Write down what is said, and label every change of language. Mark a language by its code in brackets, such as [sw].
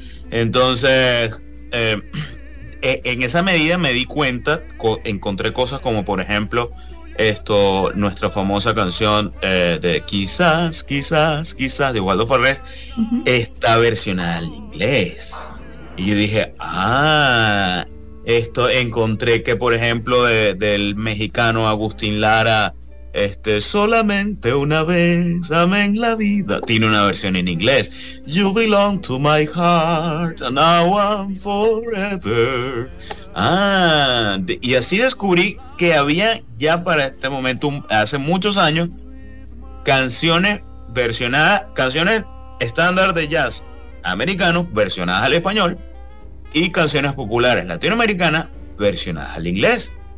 [es] Entonces, en esa medida me di cuenta, encontré cosas como, por ejemplo, esto, nuestra famosa canción de Quizás, Quizás, Quizás, de Waldo Farrés, uh-huh, está versionada al inglés. Y yo dije, ah, esto, encontré que, por ejemplo, del mexicano Agustín Lara, este, solamente una vez, amén la vida, tiene una versión en inglés. [en] You belong to my heart, and now I'm forever. [es] Ah, y así descubrí que había ya para este momento, hace muchos años, canciones versionadas, canciones estándar de jazz americano versionadas al español, y canciones populares latinoamericanas versionadas al inglés.